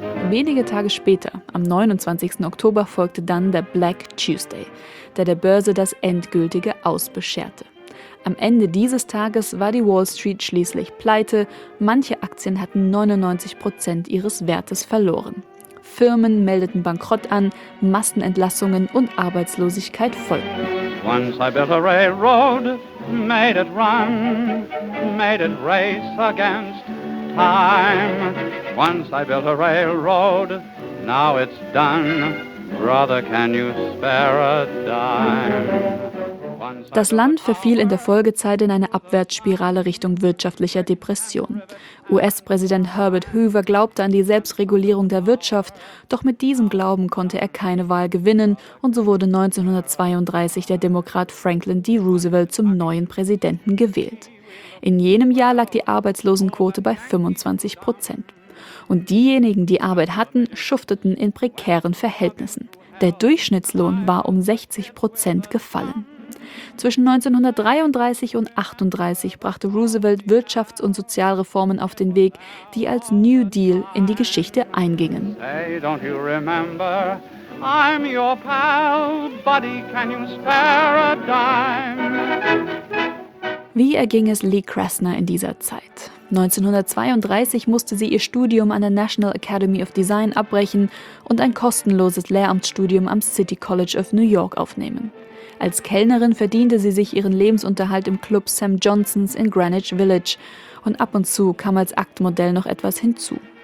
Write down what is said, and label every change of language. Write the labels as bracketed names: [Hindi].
[German] Wenige Tage später, am 29. Oktober, folgte dann der Black Tuesday, der der Börse das endgültige Aus bescherte. Am Ende dieses Tages war die Wall Street schließlich pleite, manche Aktien hatten 99% ihres Wertes verloren. Firmen meldeten Bankrott an, Massenentlassungen und Arbeitslosigkeit folgten. [English] Once I built a railroad, made it run, made it race against time. Once I built a railroad, now it's done. Brother, can you spare a dime? [German] Das Land verfiel in der Folgezeit in eine Abwärtsspirale Richtung wirtschaftlicher Depression. US-Präsident Herbert Hoover glaubte an die Selbstregulierung der Wirtschaft, doch mit diesem Glauben konnte er keine Wahl gewinnen und so wurde 1932 der Demokrat Franklin D. Roosevelt zum neuen Präsidenten gewählt. In jenem Jahr lag die Arbeitslosenquote bei 25%. Und diejenigen, die Arbeit hatten, schufteten in prekären Verhältnissen. Der Durchschnittslohn war um 60% gefallen. Zwischen 1933 und 1938 brachte Roosevelt Wirtschafts- und Sozialreformen auf den Weg, die als New Deal in die Geschichte eingingen. [English] Hey, don't you remember? I'm your pal, buddy, can you spare a dime? [German] Wie erging es Lee Krasner in dieser Zeit? 1932 musste sie ihr Studium an der National Academy of Design abbrechen und ein kostenloses Lehramtsstudium am City College of New York aufnehmen. Als Kellnerin verdiente sie sich ihren Lebensunterhalt im Club Sam Johnson's in Greenwich Village und ab und zu kam als Aktmodell noch etwas hinzu.